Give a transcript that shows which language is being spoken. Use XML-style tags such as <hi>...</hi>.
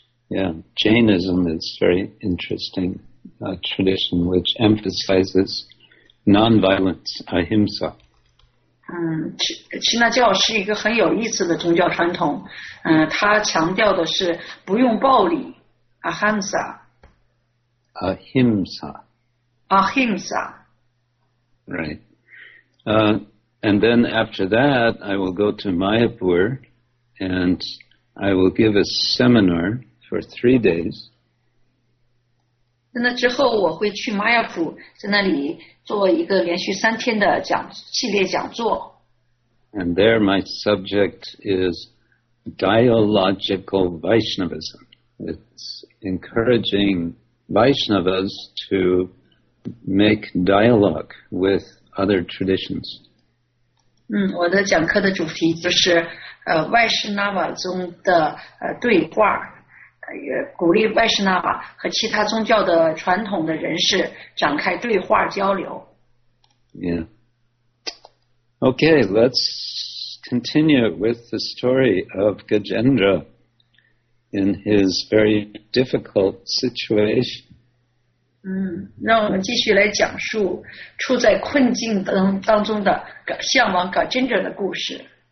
<en>Yeah, Jainism is very interesting tradition which emphasizes non-violence, ahimsa.</en> <zh>耆那教是一个很有意思的宗教传统，它强调的是不用暴力 ，ahimsa。</zh> <sa>ahimsa。 ahimsa。</sa> <en>Right. And then after that, I will go to Mayapur, and I will give a seminar for 3 days.</en> <zh>在那之后，我会去 Mayapur， 在那里做一个连续三天的系列讲座。</zh> <en>And there my subject is dialogical Vaishnavism. It's encouraging Vaishnavas to make dialogue with other traditions.</en> <zh>我的讲课的主题就是Vaishnava 中的对话，鼓励 Vaishnava 和其他宗教的传统的人士展开对话交流。</zh> <en>Yeah. Okay, let's continue with the story of Gajendra in his very difficult situation.</en> <zh>让我们继续来讲述处在困境当中的向往 Gajendra 的故事。</zh>